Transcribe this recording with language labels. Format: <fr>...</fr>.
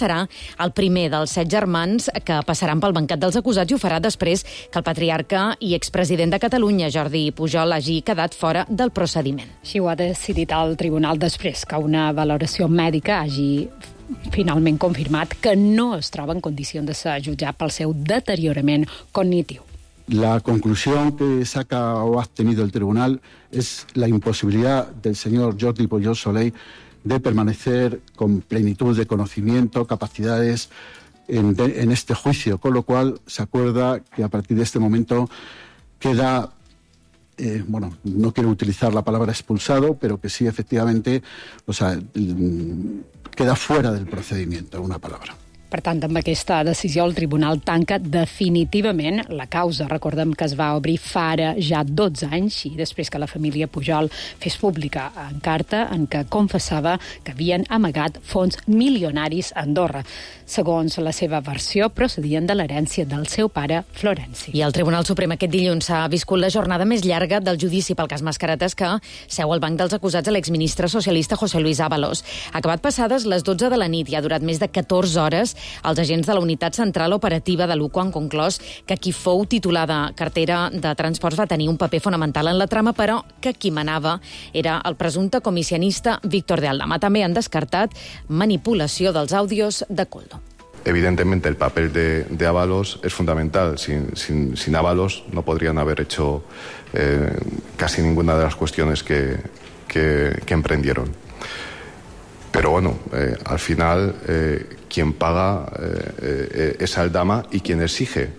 <ca>Serà el primer dels 7 germans que passaran pel banquet dels acusats i ho farà després que el patriarca i expresident de Catalunya, Jordi Pujol, hagi quedat fora del procediment. Així ho ha decidit el tribunal després que una valoració mèdica hagi finalment confirmat que no es troba en condicions de ser jutjat pel seu deteriorament cognitiu.</ca> <es>La conclusión que saca o ha obtenido el tribunal es la imposibilidad del señor Jordi Pujol Soley de permanecer con plenitud de conocimiento, capacidades en este juicio, con lo cual se acuerda que a partir de este momento queda, no quiero utilizar la palabra expulsado, pero que sí, efectivamente, o sea, queda fuera del procedimiento, una palabra.</es> <ca>Per tant, amb aquesta decisió, el tribunal tanca definitivament la causa. Recordem que es va obrir fa ara ja 12 anys i després que la família Pujol fes pública en carta en què confessava que havien amagat fons milionaris a Andorra. Segons la seva versió, procedien de l'herència del seu pare, Florenci. I el Tribunal Suprem aquest dilluns s'ha viscut la jornada més llarga del judici pel cas Mascaretes que seu al banc dels acusats a l'exministre socialista José Luis Ábalos. Acabat passades les 12 de la nit i ha durat més de 14 hores, els agents de la Unitat Central Operativa de l'UQ han conclòs que qui fou titulada cartera de transports va tenir un paper fonamental en la trama, però que qui manava era el presumpte comissionista Víctor de Aldama. També han descartat manipulació dels àudios de Coldo.</ca> <es>Evidentemente el papel de Ábalos es fundamental. Sin Ábalos no podrían haber hecho casi ninguna de las cuestiones que emprendieron. Pero bueno, al final quien paga es Aldama y quien exige.</es>